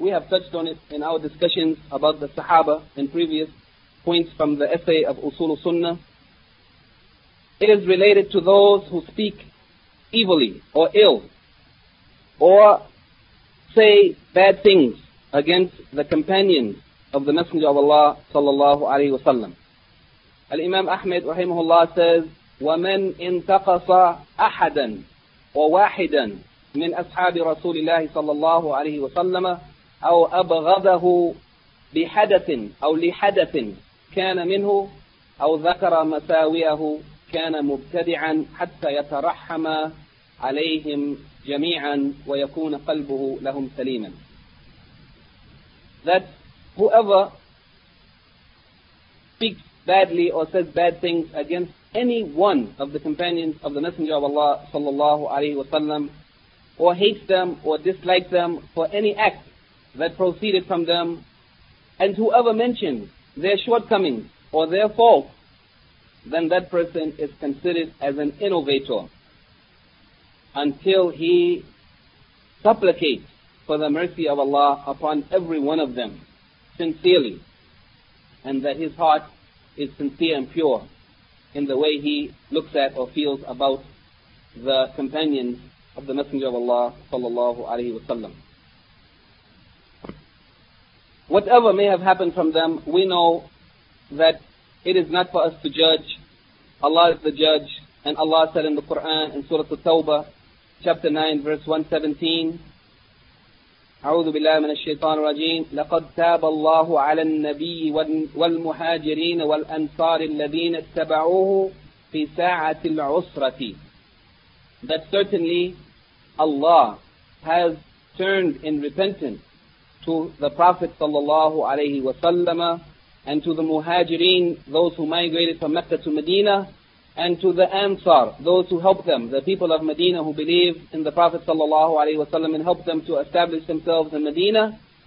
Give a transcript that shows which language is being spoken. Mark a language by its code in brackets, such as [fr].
[en] We have touched on it in our discussions about the Sahaba in previous points from the essay of Usul Sunnah. It is related to those who speak evilly or ill, or say bad things against the companions of the Messenger of Allah sallallahu alaihi wasallam. Al-Imam Ahmed rahimahullah says, [ar] وَمَنْ انْتَقَصَ أَحَدًا وَوَاحِدًا مِنْ أَصْحَابِ رَسُولِ اللَّهِ صَلَّى اللَّهُ عَلَيْهِ وَسَلَّمَ أَوْ أَبْغَضَهُ بِحَدَثٍ أَوْ لِحَدَثٍ كَانَ مِنْهُ أَوْ ذَكَرَ مَسَاوِئَهُ كَانَ مُبْتَدِعًا حَتَّى يَتَرَحَّمَ عَلَيْهِمْ جَمِيعًا وَيَكُونَ قَلْبُهُ لَهُمْ سَلِيمًا. [en] That whoever speaks badly or says bad things against any one of the companions of the Messenger of Allah sallallahu alayhi wasallam, or hates them or dislikes them for any act that proceeded from them, and whoever mentions their shortcomings or their fault, then that person is considered as an innovator until he supplicates for the mercy of Allah upon every one of them sincerely, and that his heart is sincere and pure in the way he looks at or feels about the companions of the Messenger of Allah sallallahu alaihi wasallam. Whatever may have happened from them, we know that it is not for us to judge. Allah is the judge, and Allah said in the Quran in Surah At-Tawbah, chapter 9, verse 117, [ar] أعوذ بالله من الشيطان الرجيم لقد تاب الله على النبي والمهاجرين والأنصار الذين اتبعوه في ساعة العسرة. [en] That certainly Allah has turned in repentance to the Prophet sallallahu alayhi wa sallam and to the Muhajireen, those who migrated from Mecca to Medina, and to the Ansar, those who helped them, the people of Medina who believed in the Prophet sallallahu alayhi wa sallam and helped them to establish themselves in Medina,